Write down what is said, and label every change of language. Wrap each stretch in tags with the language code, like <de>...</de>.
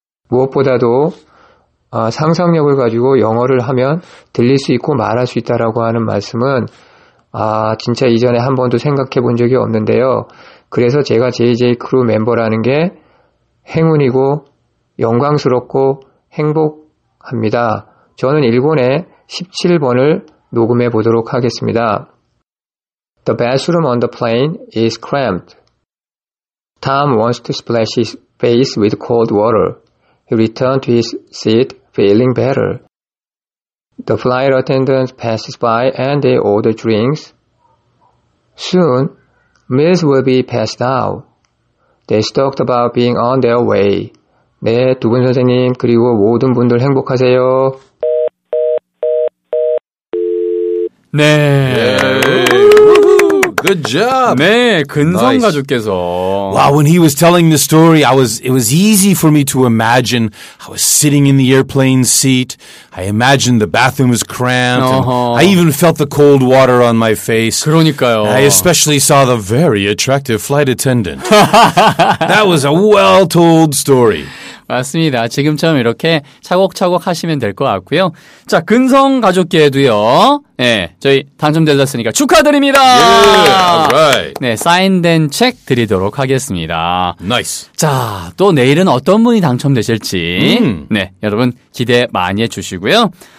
<ko>무엇보다도 상상력을 가지고 영어를 하면 들릴 수 있고 말할 수 있다라고 하는 말씀은 진짜 이전에 한 번도 생각해 본 적이 없는데요. 그래서 제가 JJ 크루 멤버라는 게 행운이고 영광스럽고 행복합니다. 저는 1권에 17번을 녹음해 보도록 하겠습니다.</ko> <en>The bathroom on the plane is cramped. Tom wants to splash his face with cold water. He returned to his seat feeling better. The flight attendant passes by and they order drinks. Soon, meals will be passed out. They talked about being on their way.</en> <ko>네, 두 분 선생님 그리고 모든 분들 행복하세요. 네.</ko> <en>Good job.</en> <ko>네, 근성 nice. 가족께서.</ko> <en>Wow, when he was telling the story, it was easy for me to imagine. I was sitting in the airplane seat. I imagined the bathroom was cramped. Uh-huh. I even felt the cold water on my face.</en> <ko>그러니까요.</ko> <en>And I especially saw the very attractive flight attendant. That was a well-told story.</en> <ko>맞습니다. 지금처럼 이렇게 차곡차곡 하시면 될 것 같고요. 자, 근성 가족께도요. 네, 저희 당첨되셨으니까 축하드립니다.</ko> <en>Yeah, right.</en> <ko>네, 사인된 책 드리도록 하겠습니다.</ko> <en>Nice.</en> <ko>자, 또 내일은 어떤 분이 당첨되실지 네, 여러분 기대 많이 해주시고요.</ko>